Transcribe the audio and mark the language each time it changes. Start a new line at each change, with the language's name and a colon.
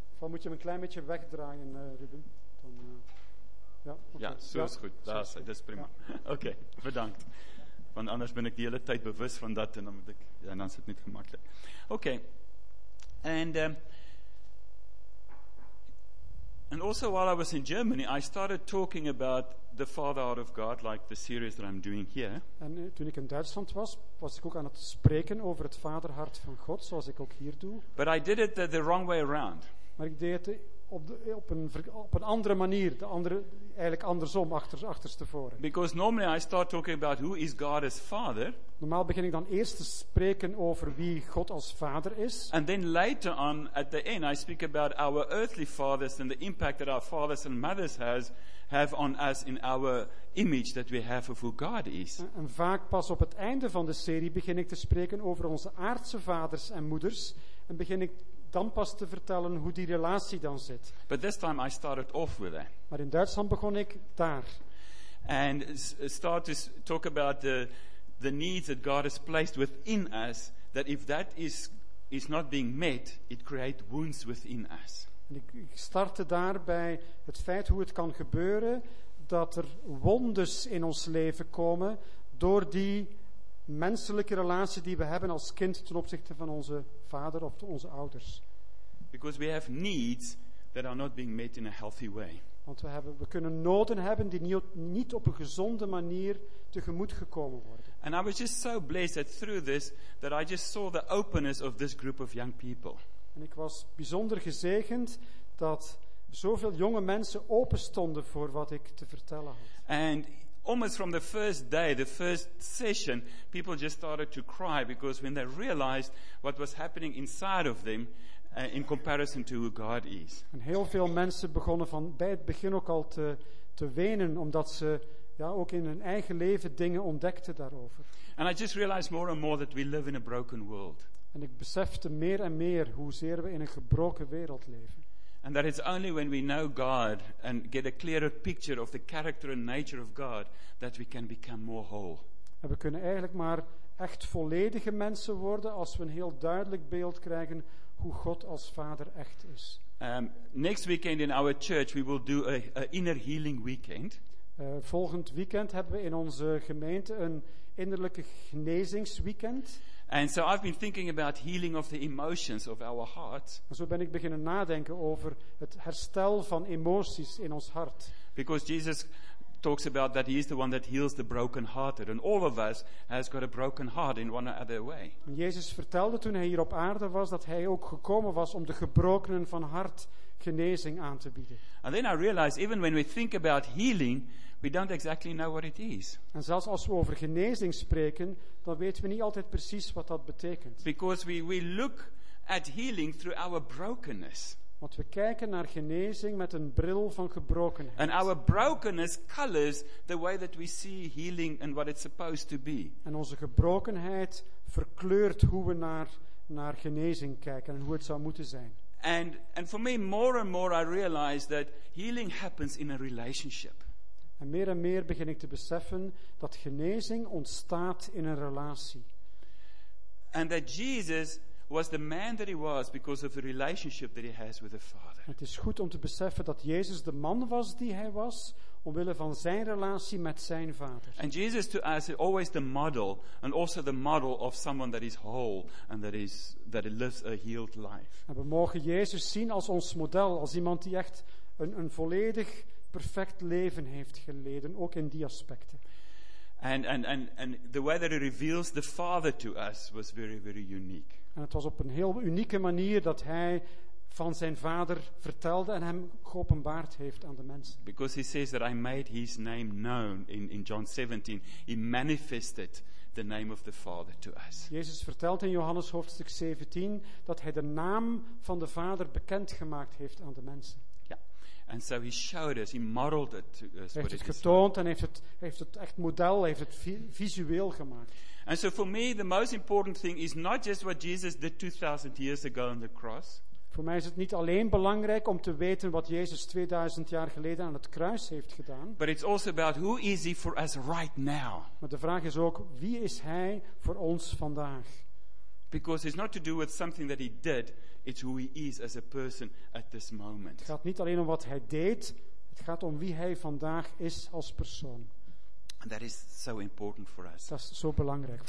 Dutch: Dan moet je hem een klein beetje wegdraaien, Ruben. Dan, okay. Ja, zo is goed. Daar is hij, dat is prima. Ja. Oké, okay, bedankt. Want anders ben ik de hele tijd bewust van dat en dan, moet ik, ja, dan is het niet gemakkelijk. Oké. Okay. En...
English: And also while I was in Germany, I started talking about the fatherhood of God, like the series that I'm doing here.
Dutch: En toen ik in Duitsland was, was ik ook aan het spreken over het vaderhart van God, zoals ik ook hier doe.
English: But I did it the wrong way around.
Dutch: Maar ik deed het op een andere manier, de andere, eigenlijk andersom, achterstevoren.
English: Because normally I start talking about who is God as father.
Dutch: Normaal begin ik dan eerst te spreken over wie God als vader is.
English: And then later on, at the end, I speak about our earthly fathers and the impact that our fathers and mothers have on us in our image that we have of who God is.
Dutch: En vaak pas op het einde van de serie begin ik te spreken over onze aardse vaders en moeders en begin ik dan pas te vertellen hoe die relatie dan zit.
English: But this time I started off with that.
Dutch: Maar in Duitsland begon ik daar.
English: And start to talk about the needs that God has placed within us, that if that is not being met, it creates wounds within us.
Dutch: En ik startte daarbij het feit hoe het kan gebeuren dat er wondes in ons leven komen door die menselijke relatie die we hebben als kind ten opzichte van onze vader of onze ouders.
English: Because we have needs that are not being met in a healthy way.
Dutch: Want we kunnen noden hebben die niet op een gezonde manier tegemoet gekomen worden.
English: And I was just so blessed that through this that I just saw the openness of this group of young people.
Dutch: En ik was bijzonder gezegend dat zoveel jonge mensen open stonden voor wat ik te vertellen had.
English: And almost from the first day, the first session, people just started to cry because when they realized what was happening inside of them in comparison to who God is.
Dutch: En heel veel mensen begonnen van bij het begin ook al te wenen omdat ze ook in hun eigen leven dingen ontdekten daarover.
English: And I just realized more and more that we live in a broken world.
Dutch: En ik besefte meer en meer hoezeer we in een gebroken wereld leven.
English: And that it's only when we know God and get a clearer picture of the character and nature of God that we can become more whole.
Dutch: En we kunnen eigenlijk maar echt volledige mensen worden als we een heel duidelijk beeld krijgen hoe God als Vader echt is.
English: Next weekend in our church we will do a inner healing weekend.
Dutch: Volgend weekend hebben we in onze gemeente een innerlijke genezingsweekend.
English: And so I've been thinking about healing of the emotions of our hearts.
Dutch: Zo ben ik beginnen nadenken over het herstel van emoties in ons hart.
English: Because Jesus talks about that he is the one that heals the brokenhearted, and all of us has got a broken heart in one or other way.
Dutch: En Jezus vertelde toen hij hier op aarde was dat hij ook gekomen was om de gebrokenen van hart genezing aan te bieden.
English: And then I realized even when we think about healing, we don't exactly know what it is.
Dutch: En zelfs als we over genezing spreken, dan weten we niet altijd precies wat dat betekent.
English: Because we look at healing through our brokenness.
Dutch: Want we kijken naar genezing met een bril van gebrokenheid.
English: And our brokenness colors the way that we see healing and what it's supposed to be.
Dutch: En onze gebrokenheid verkleurt hoe we naar genezing kijken en hoe het zou moeten zijn.
English: And for me, more and more I realize that healing happens in a relationship.
Dutch: En meer begin ik te beseffen dat genezing ontstaat in een relatie.
English: And that Jesus was the man that he was because of the relationship that he has with the Father.
Dutch: Het is goed om te beseffen dat Jezus de man was die hij was omwille van zijn relatie met zijn Vader.
English: And Jesus to us is always the model and also the model of someone that is whole and that lives a healed life.
Dutch: En we mogen Jezus zien als ons model, als iemand die echt een volledig perfect leven heeft geleden, ook in die aspecten.
English: And the way that he reveals the Father to us was very, very unique.
Dutch: En het was op een heel unieke manier dat hij van zijn Vader vertelde en hem geopenbaard heeft aan de mensen.
English: Because he says that I made his name known in John 17. He manifested the name of the Father to us.
Dutch: Jezus vertelt in Johannes hoofdstuk 17 dat hij de naam van de Vader bekendgemaakt heeft aan de mensen.
English: And so he showed us, he modeled it to us.
Dutch: Heeft het getoond en heeft het echt model, heeft het visueel gemaakt.
English: And so for me the most important thing is not just what Jesus did 2000 years ago on the cross.
Dutch: Voor mij is het niet alleen belangrijk om te weten wat Jezus 2000 jaar geleden aan het kruis heeft gedaan.
English: But it's also about who is he for us right now.
Dutch: Maar de vraag is ook wie is hij voor ons vandaag?
English: Because it's not to do with something that he did, it's who he is as a person at this moment.
Dutch: Het gaat niet alleen om wat hij deed, het gaat om wie hij vandaag is als persoon.
English: And that is so important for us.
Dutch: Dat is zo belangrijk voor